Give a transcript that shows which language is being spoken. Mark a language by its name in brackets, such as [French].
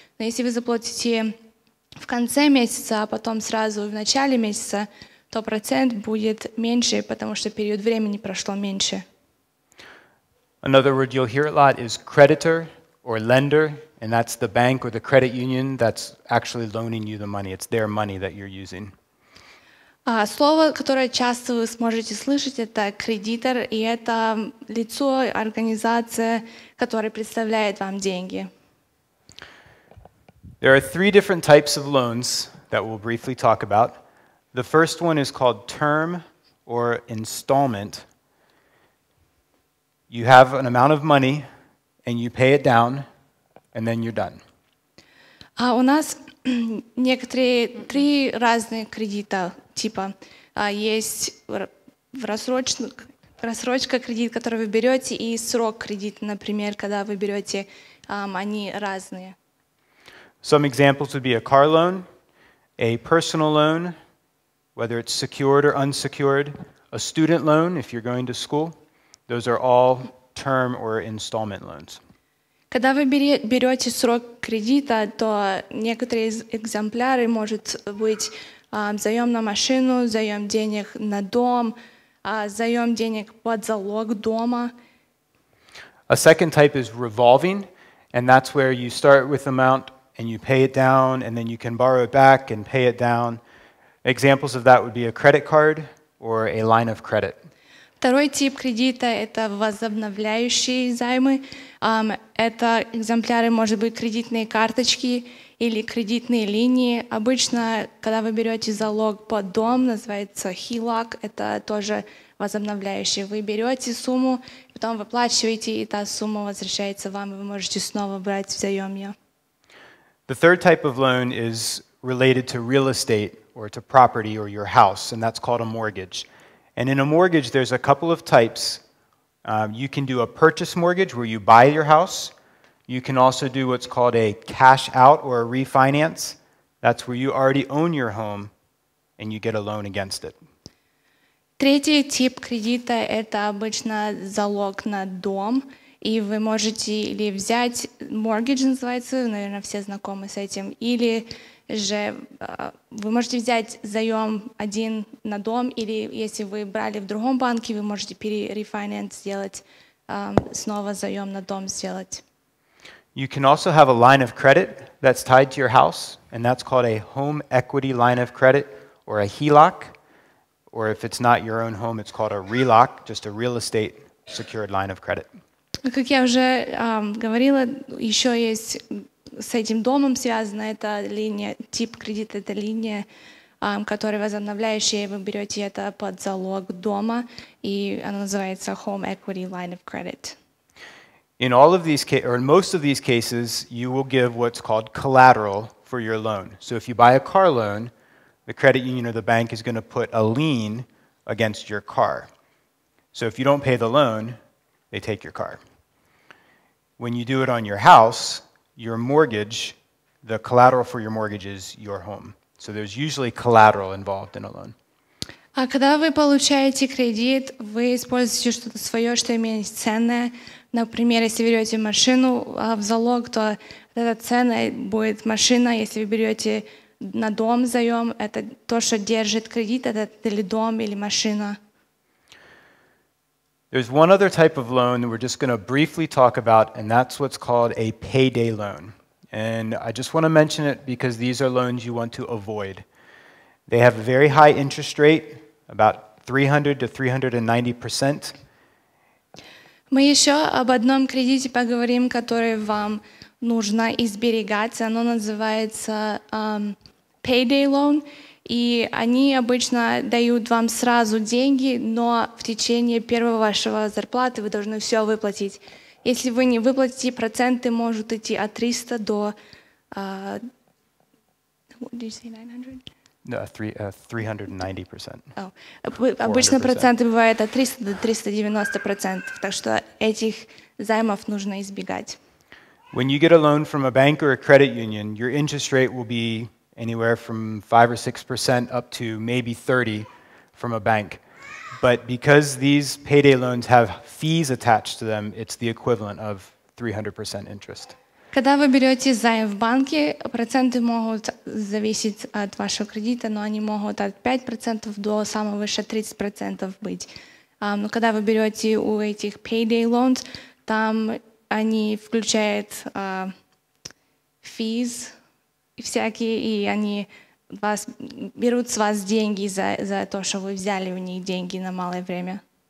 [Russian] Но если вы заплатите в конце месяца, а потом сразу в начале месяца, то процент будет меньше, потому что период времени прошло меньше. [English] Another word you'll hear a lot is creditor or lender, and that's the bank or the credit union that's actually loaning you the money. It's their money that you're using. [Russian] Слово, которое часто вы сможете слышать, это кредитор, и это лицо, организация, которая представляет вам деньги. [English] There are three different types of loans that we'll briefly talk about. The first one is called term or installment. You have an amount of money, and you pay it down, and then you're done. [Russian] У нас некоторые три разных кредита типа. Есть рассрочка кредит, который вы берете, и срок кредита, например, когда вы берете, они разные. [English] Some examples would be a car loan, a personal loan, whether it's secured or unsecured, a student loan if you're going to school. Those are all term or installment loans. [Russian] Когда вы берете срок кредита, то некоторые экземпляры может быть заем на машину, заем денег на дом, заем денег под залог дома. [English] A second type is revolving, and that's where you start with amount and you pay it down, and then you can borrow it back and pay it down. Examples of that would be a credit card or a line of credit. [Russian] Второй тип кредита – это возобновляющие займы. Это экземпляры, может быть, кредитные карточки или кредитные линии. Обычно, когда вы берете залог под дом, называется HELOC, это тоже возобновляющие. Вы берете сумму, потом выплачиваете, и та сумма возвращается вам, и вы можете снова брать взаем ее. [English] The third type of loan is related to real estate or to property or your house, and that's called a mortgage. And in a mortgage, there's a couple of types. You can do a purchase mortgage where you buy your house. You can also do what's called a cash out or a refinance. That's where you already own your home and you get a loan against it. [Russian] Третий тип кредита – это обычно залог на дом. И вы можете или взять mortgage, называется, наверное, все знакомы с этим, или же вы можете взять заем один на дом, или если вы брали в другом банке, вы можете перерефинанс сделать, снова заем на дом сделать. [English] You can also have a line of credit that's tied to your house, and that's called a home equity line of credit, or a HELOC, or if it's not your own home, it's called a RELOC, just a real estate secured line of credit. [Russian] Как я уже говорила, еще есть с этим домом связана эта линия, тип кредита, это линия, которая возобновляющая, вы берете это под залог дома, и она называется Home Equity Line of Credit. [English] In all of these cases, or in most of these cases, you will give what's called collateral for your loan. So if you buy a car loan, the credit union or the bank is going to put a lien against your car. So if you don't pay the loan, they take your car. When you do it on your house, your mortgage, the collateral for your mortgage is your home. So there's usually collateral involved in a loan. [Russian] А когда вы получаете кредит, вы используете что-то свое, что имеет ценное. Например, если берете машину в залог, то эта ценная будет машина. Если вы берете на дом заем, это то, что держит кредит, это или дом, или машина. [English] There's one other type of loan that we're just going to briefly talk about, and that's what's called a payday loan. And I just want to mention it because these are loans you want to avoid. They have a very high interest rate, about 300 to 390%. [Russian] Мы еще об одном кредите поговорим, который вам нужно изберегать. Оно называется payday loan, И они обычно дают вам сразу деньги, но в течение первого вашего зарплаты вы должны все выплатить. Если вы не выплатите, проценты могут идти от 300 до... [English] No, 390%. [Russian] Обычно проценты бывают от 300 до 390%, так что этих займов нужно избегать. [English] When you get a loan from a bank or a credit union, your interest rate will be anywhere from 5 or 6% up to maybe 30 from a bank. But because these payday loans have fees attached to them, it's the equivalent of 300% interest. [Russian] Когда вы берете займ в банке, проценты могут зависеть от вашего кредита, но они могут от 5% до самого выше 30% быть. Но когда вы берете у этих payday loans, там они включают fees всякие, и они вас, берут с вас деньги за то, что вы взяли у них деньги на малое время.